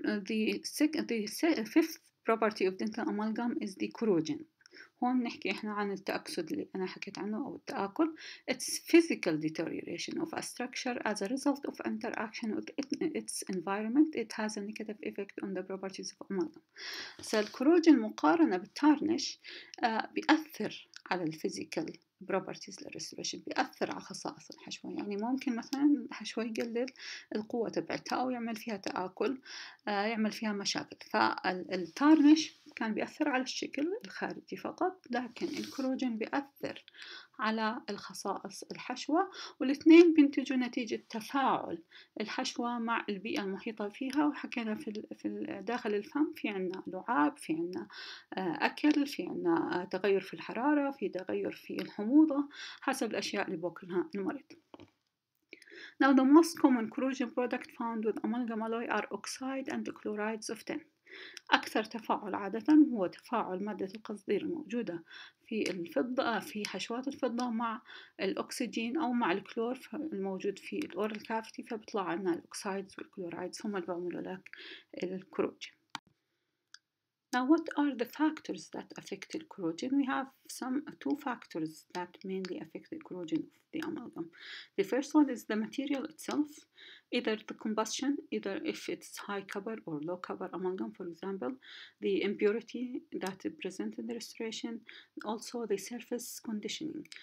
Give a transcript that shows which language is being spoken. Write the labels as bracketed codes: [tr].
[en] The fifth property of dental amalgam is the corrosion. [ar] هون نحكي إحنا عن التأكسد اللي أنا حكيت عنه أو التآكل. [en] It's physical deterioration of a structure as a result of interaction with its environment. It has a negative effect on the properties of amalgam. [ar] فالكروجين مقارنة بالتارنش بيأثر على الفيزيكال properties للريستوريشن، بيأثر على خصائص الحشوة. يعني ممكن مثلا الحشوة يقلل القوة تبعتها أو يعمل فيها تآكل، يعمل فيها مشاكل. فالتارنش كان بيأثر على الشكل الخارجي فقط، لكن الكروجين بيأثر على الخصائص الحشوة، والاثنين بينتجوا نتيجة تفاعل الحشوة مع البيئة المحيطة فيها. وحكينا في داخل الفم في عنا لعاب، في عنا أكل، في عنا تغير في الحرارة، في تغير في الحموضة، حسب الأشياء اللي بوكلها المريض. [en] Now the most common corrosion product found with amalgam alloy are oxide and chlorides of tin. [ar] أكثر تفاعل عادة هو تفاعل مادة القصدير الموجودة في الفضة، في حشوات الفضة، مع الأكسجين أو مع الكلور الموجود في الأورال كافتي، فبيطلع عندنا الأكسايدز والكلورايدز هم اللي بيعملوا لك الكروج. [en] Now, what are the factors that affect the corrosion? We have some two factors that mainly affect the corrosion of the amalgam. The first one is the material itself, either the combustion, either if it's high cover or low cover amalgam, for example, the impurity that is present in the restoration, also the surface conditioning.